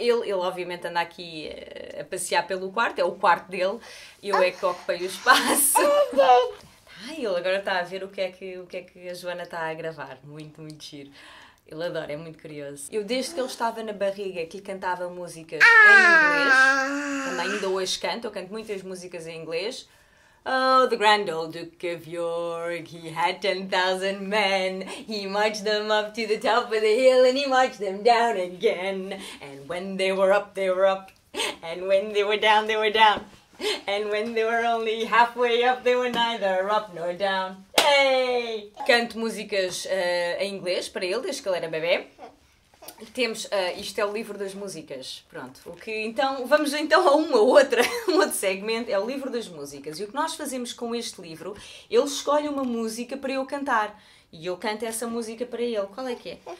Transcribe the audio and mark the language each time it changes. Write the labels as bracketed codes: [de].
[pt] Ele obviamente anda aqui a passear pelo quarto, é o quarto dele, eu é que ocupei o espaço. Ai, ele agora está a ver o que é que a Joana está a gravar. Muito, muito giro. Ele adora, é muito curioso. Eu, desde que ele estava na barriga, que lhe cantava músicas em inglês, também ainda hoje canto, eu canto muitas músicas em inglês. [en] Oh, the grand old Duke of York, he had 10,000 men. He marched them up to the top of the hill and he marched them down again. And when they were up, they were up. And when they were down, they were down. And when they were only halfway up, they were neither up nor down. Hey! [pt] Canto músicas em inglês para ele, desde que ele era bebê. Temos, isto é o livro das músicas, pronto, o que então, vamos então a uma outra, um outro segmento, é o livro das músicas, e o que nós fazemos com este livro, ele escolhe uma música para eu cantar, e eu canto essa música para ele, qual é que é?